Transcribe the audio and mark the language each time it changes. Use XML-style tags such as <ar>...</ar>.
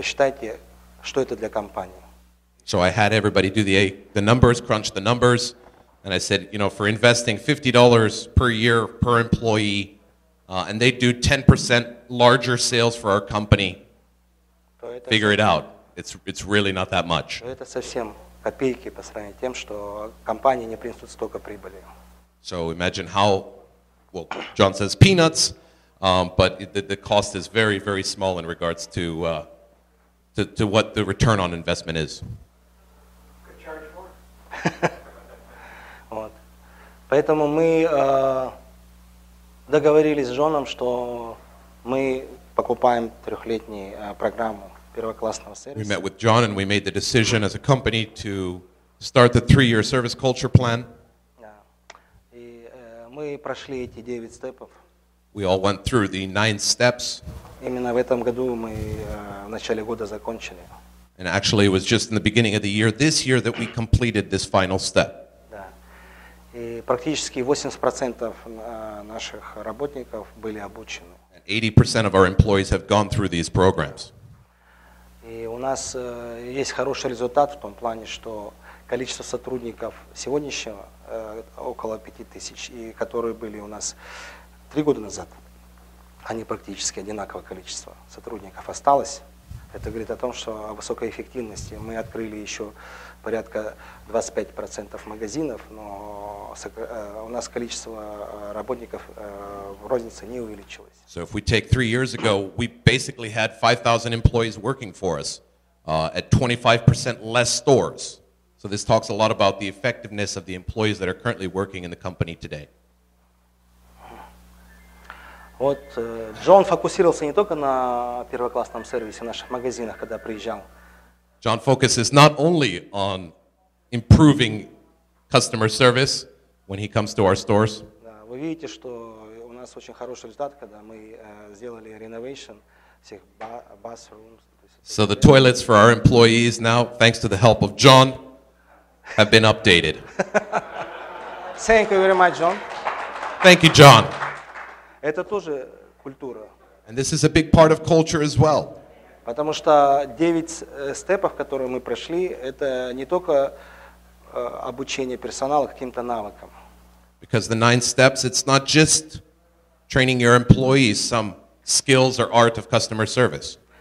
<ru>Посчитайте, что это для компании.</ru> <en>So I had everybody do the numbers, crunch the numbers. And I said, you know, for investing $50 per year per employee, and they do 10% larger sales for our company, figure it out. It's really not that much.</en> <ru>Это совсем копейки по сравнению с тем, что компания не принесет столько прибыли.</ru> <en>So imagine how, well, John says peanuts, but the cost is very, very small in regards to what the return on investment is. Could charge more.</en> <ru>Вот. Поэтому мы договорились с Джоном, что мы покупаем трехлетнюю программу первоклассного сервиса.</ru> <en>We met with John and we made the decision as a company to start the three-year service culture plan.</en> <ru>И мы прошли эти 9 степов.</ru> <en>We all went through the 9 steps.</en> <ru>Именно в этом году мы в начале года закончили.</ru> <en>And actually it was just in the beginning of the year this year that we completed this final step.</en> <ru>И практически 80% наших работников были обучены.</ru> <en>80% of our employees have gone through these programs.</en> <ru>И у нас есть хороший результат в том плане, что количество сотрудников сегодняшнего около 5000, и которые были у нас 3 года назад, они практически одинаковое количество сотрудников осталось. Это говорит о том, что о высокой эффективности. Мы открыли еще порядка 25% магазинов, но у нас количество работников в рознице не увеличилось.</ru> <en>So if we take 3 years ago, we basically had 5,000 employees working for us at 25% less stores. So this talks a lot about the effectiveness of the employees that are currently working in the company today.</en> <ru>Вот Джон фокусировался не только на первоклассном сервисе в наших магазинах, когда приезжал.</ru> <en>John focuses not only on improving customer service when he comes to our stores.</en> <ru>Да, вы видите, что у нас очень хороший результат, когда мы сделали renovation всех bathrooms.</ru> <en>So the toilets for our employees now, thanks to the help of John, have been updated. Thank you very much, John. Thank you, John.</en> <ru>Это тоже культура.</ru> <en>And this is a big part of culture as well.</en> <ru>Потому что 9 степов, которые мы прошли, это не только обучение персонала каким-то навыкам.</ru> <en>Because the 9 steps, it's not just training your employees some skills or art of customer service.</en>